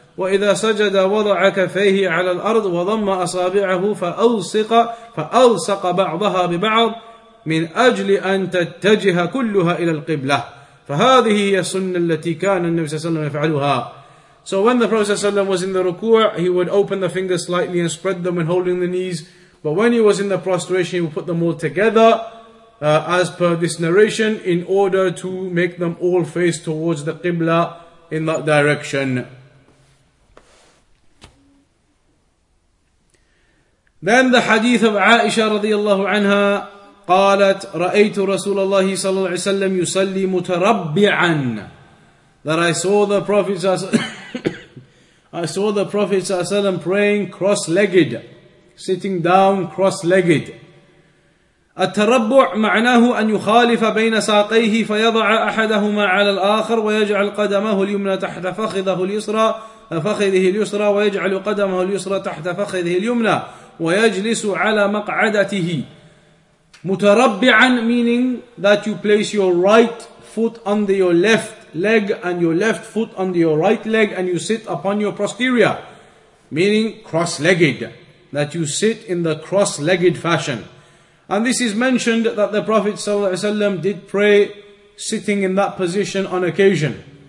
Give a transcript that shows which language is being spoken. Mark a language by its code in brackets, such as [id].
[ar] وإذا سجد وضع كفيه على الأرض وضم أصابعه فألصق بعضها ببعض من أجل أن تتجه كلها إلى القبلة فهذه هي السنة التي كان النبي صلى الله عليه وسلم يفعلها. [en] So when the Prophet ﷺ was in the ruku', he would open the fingers slightly and spread them when holding the knees. But when he was in the prostration, he would put them all together as per this narration in order to make them all face towards the qibla in that direction. Then the hadith of Aisha radiyallahu anha, [ar] قالت رأيت رسول الله صلى الله عليه وسلم يصلي متربعا. [en] That I saw the Prophet ﷺ praying cross-legged, sitting down cross-legged. [ar] التربع معناه أن يخالف بين ساقيه فيضع أحدهما على الآخر ويجعل قدمه اليمنى تحت فخذه اليسرى ويجعل قدمه اليسرى تحت فخذه اليمنى ويجلس على مقعدته. [en] متربعا meaning that you place your right foot under your left leg and your left foot under your right leg and you sit upon your posterior, meaning cross-legged, that you sit in the cross-legged fashion. And this is mentioned that the Prophet ﷺ did pray sitting in that position on occasion.